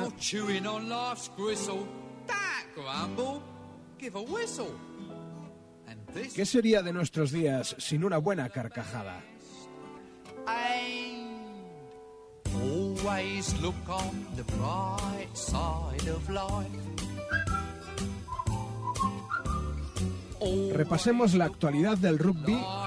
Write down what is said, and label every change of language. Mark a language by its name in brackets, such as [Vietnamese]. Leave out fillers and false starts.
[English] When you're chewing on life's gristle, that grumble, give a whistle. And this... [Spanish] ¿Qué sería de nuestros días sin una buena carcajada? [English] And always look on the bright side of life. [Spanish] Repasemos la actualidad del rugby.